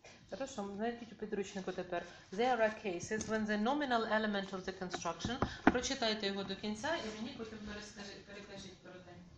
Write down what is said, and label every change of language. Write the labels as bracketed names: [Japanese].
[Ukrainian] Хорошо, знайдіть у підручнику тепер. [English] There are cases when the nominal element of the construction. [Ukrainian] Прочитайте його до кінця і мені потім перекажіть про те.